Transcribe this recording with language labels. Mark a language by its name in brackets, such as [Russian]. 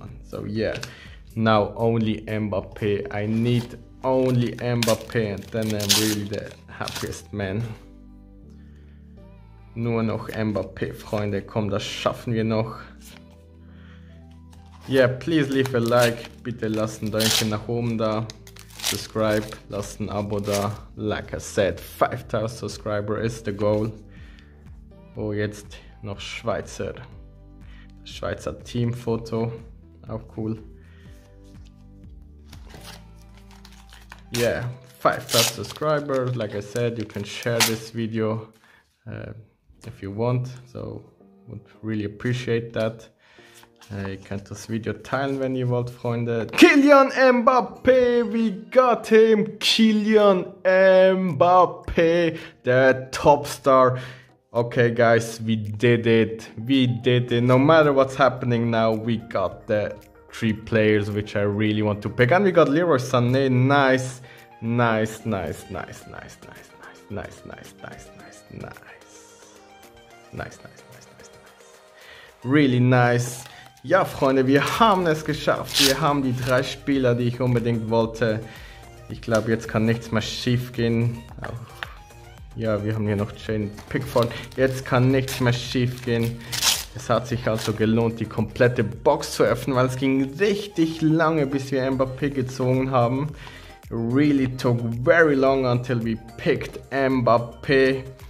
[English] So yeah, now only Mbappé, I need only Mbappé, and then I'm really the happiest man. [German] Nur noch Mbappé, Freunde, komm, das schaffen wir noch. [English] Yeah, please leave a like, [German] bitte lasst ein Däumchen nach oben da, [English] subscribe, [German] lasst ein Abo da. [English] Like I said, 5000 Subscriber is the goal. [German] Oh, jetzt noch Schweizer. Das Schweizer Teamfoto, auch cool. [English] Yeah, 5000 Subscriber. Like I said, you can share this video if you want. So, would really appreciate that. [German] Ihr könnt das Video teilen, wenn ihr wollt, Freunde. [English] Kylian Mbappé, we got him. Kylian Mbappé, the top star. Okay, guys, we did it. We did it. No matter what's happening now, we got the three players which I really want to pick. And we got Leroy Sané. Nice, nice, nice, nice, nice, nice, nice, nice, nice, nice, nice, nice, nice, nice, nice, nice, nice. Really nice. [German] Ja, Freunde, wir haben es geschafft. Wir haben die drei Spieler, die ich unbedingt wollte. Ich glaube, jetzt kann nichts mehr schief gehen. Ja, wir haben hier noch Jane Pickford. Jetzt kann nichts mehr schief gehen. Es hat sich also gelohnt, die komplette Box zu öffnen, weil es ging richtig lange, bis wir Mbappé gezogen haben. [English] Really took very long until we picked Mbappé.